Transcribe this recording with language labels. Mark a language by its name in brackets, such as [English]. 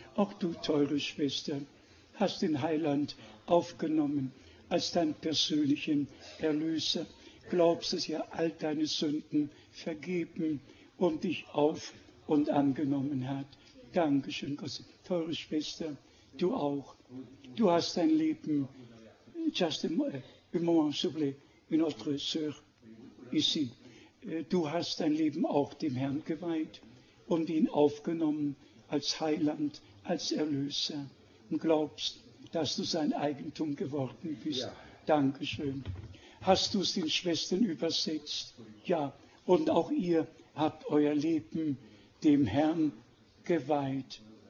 [German] Auch du, teure Schwester, hast den Heiland aufgenommen als deinen persönlichen Erlöser. Glaubst, dass er all deine Sünden vergeben und dich auf- und angenommen hat. Dankeschön, Gott. Teure Schwester, du auch. Du hast dein Leben [French] just un moment, s'il vous plaît, une autre sœur ici. [German] Du hast dein Leben auch dem Herrn geweiht und ihn aufgenommen als Heiland, als Erlöser und glaubst, dass du sein Eigentum geworden bist. Ja. Dankeschön. Hast du es den Schwestern übersetzt? Ja. Und auch ihr habt euer Leben dem Herrn geweiht.